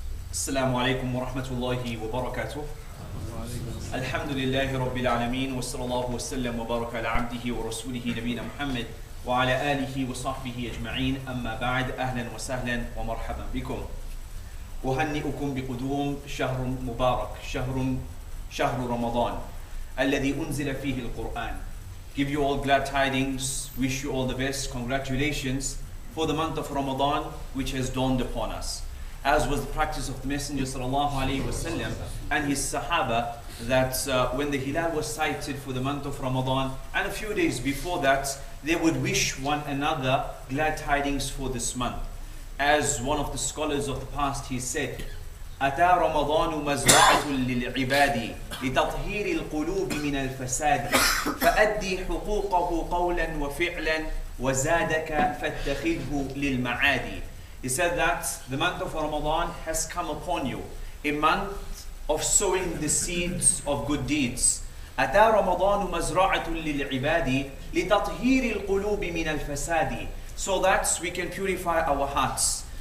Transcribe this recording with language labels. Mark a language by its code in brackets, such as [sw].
[ar] السلام عليكم ورحمة الله وبركاته. الحمد لله رب العالمين، وصلى الله وسلم وبارك على عبده ورسوله نبينا محمد وعلى آله وصحبه أجمعين. أما بعد، أهلا وسهلا ومرحبا بكم، أهنئكم بقدوم شهر مبارك، شهر رمضان الذي أنزل فيه القرآن. [en] Give you all glad tidings, wish you all the best, congratulations for the month of Ramadan which has dawned upon us. As was the practice of the Messenger sallallahu alaihi wasallam and his Sahaba, that when the Hilal was sighted for the month of Ramadan and a few days before that, they would wish one another glad tidings for this month. As one of the scholars of the past, he said, [ar] أتى رمضان مزرعة للعباد لتطهير القلوب من الفساد فأدي حقوقه قولا وفعلا وزادك فاتخذه للمعاد. [en] He said that the month of Ramadan has come upon you, a month of sowing the seeds of good deeds. [ar] أتى رمضان مزرعة للعباد لتطهير القلوب من الفساد, [en] so that we can purify our hearts.